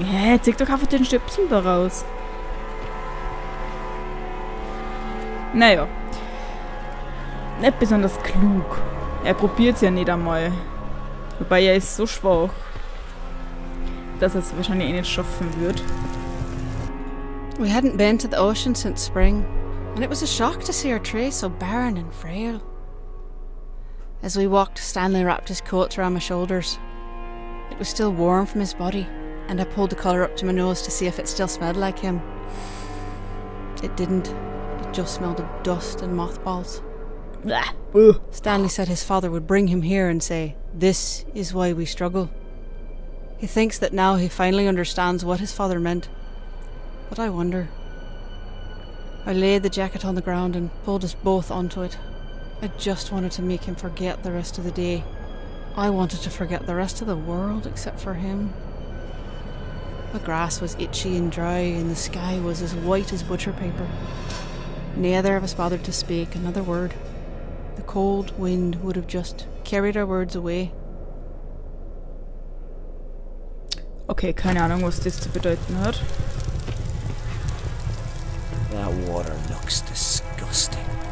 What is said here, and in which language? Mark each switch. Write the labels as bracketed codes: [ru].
[de] Hä, zieh doch einfach den Stöpsel da raus. Naja. Nicht besonders klug. Er probiert es ja nicht einmal. Wobei er ist so schwach, dass er es wahrscheinlich eh nicht schaffen wird. [en] We hadn't been to the ocean since spring, and it was a shock to see our tree so barren and frail. As we walked, Stanley wrapped his coat around my shoulders. It was still warm from his body, and I pulled the collar up to my nose to see if it still smelled like him. It didn't. It just smelled of dust and mothballs. Stanley said his father would bring him here and say, "This is why we struggle." He thinks that now he finally understands what his father meant. But I wonder. I laid the jacket on the ground and pulled us both onto it. I just wanted to make him forget the rest of the day. I wanted to forget the rest of the world except for him. The grass was itchy and dry and the sky was as white as butcher paper. Neither of us bothered to speak another word. The cold wind would have just carried our words away. [de] Okay, keine Ahnung, was das zu bedeuten hat. [en] That water looks disgusting.